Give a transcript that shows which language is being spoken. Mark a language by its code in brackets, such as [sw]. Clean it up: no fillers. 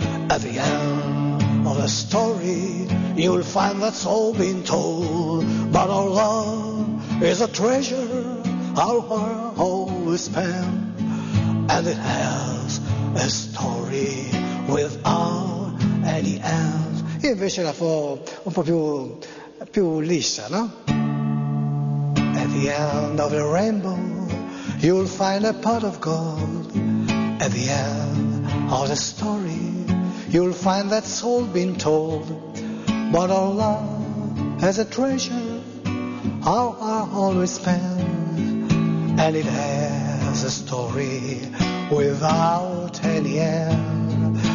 [en] At the end of the story you'll find that's all been told. But our love is a treasure our heart always spent. And it has a story without any end. [it] Io invece la fo un po' più liscia, no? [en] At the end of the rainbow you'll find a pot of gold. At the end of the story you'll find that's all been told. But our love has a treasure how I always spend, and it has a story without any end.